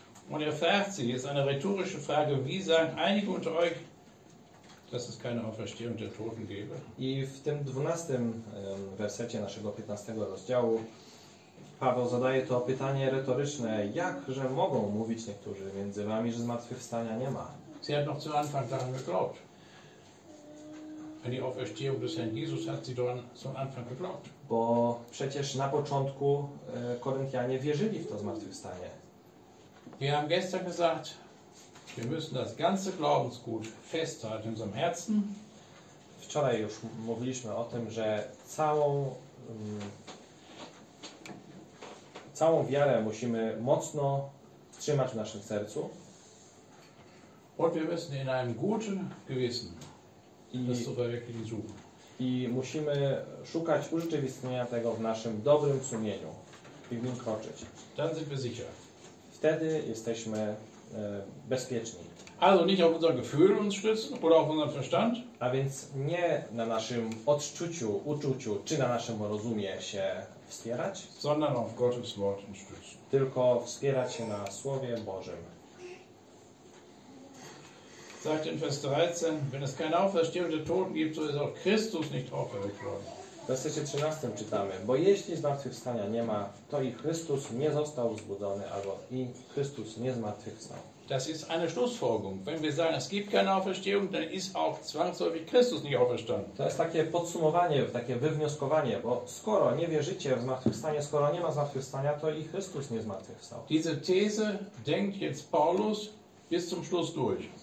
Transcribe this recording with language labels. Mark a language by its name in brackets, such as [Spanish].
[German] Und er fragt sie, jetzt eine rhetorische Frage, wie sagen einige unter euch, dass es keine Auferstehung der Toten gebe? [Polish] I w tym 12 wersecie naszego 15 rozdziału Paweł zadaje to pytanie retoryczne, jakże mogą mówić niektórzy między wami, że zmartwychwstania nie ma? [German] Sie hat noch zu Anfang daran geglaubt. An die Auferstehung des Herrn Jesus hat sie daran zum Anfang geglaubt. [Polish] Bo przecież na początku Koryntianie wierzyli w to zmartwychwstanie. [German] Wir haben gestern gesagt, wir müssen das ganze Glaubensgut festhalten in unserem Herzen. [Polish] Wczoraj już mówiliśmy o tym, że całą całą wiarę musimy mocno trzymać w naszym sercu. [German] Und wir müssen in einem guten Gewissen das zu verwirklichen suchen. [Polish] I musimy szukać urzeczywistnienia tego w naszym dobrym sumieniu i w nim kroczyć. [German] Dann sind wir sicher. [Polish] Wtedy jesteśmy bezpieczni. [German] Also nicht auf unser Gefühl uns stützen oder auf unseren Verstand. [Polish] A więc nie na naszym odczuciu, uczuciu czy na naszym rozumie się wspierać, [German] sondern auf Gottes Wort stützen. [Polish] Tylko wspierać się na Słowie Bożym. [German] Sagt in Vers 13, wenn es keine Auferstehung der Toten gibt, so ist auch Christus nicht auferweckt worden. [Polish] W wersecie 13 czytamy, bo jeśli zmartwychwstania nie ma, to i Chrystus nie został wzbudzony, albo i Chrystus nie zmartwychwstał. [German] Das ist eine Schlussfolgerung. Wenn wir sagen, es gibt keine Auferstehung, dann ist auch zwangsläufig Christus nicht auferstanden. [Polish] To jest takie podsumowanie, takie wywnioskowanie, bo skoro nie wierzycie w zmartwychwstanie, skoro nie ma zmartwychwstania, to i Chrystus nie zmartwychwstał. [German] Diese These denkt jetzt Paulus bis zum Schluss durch.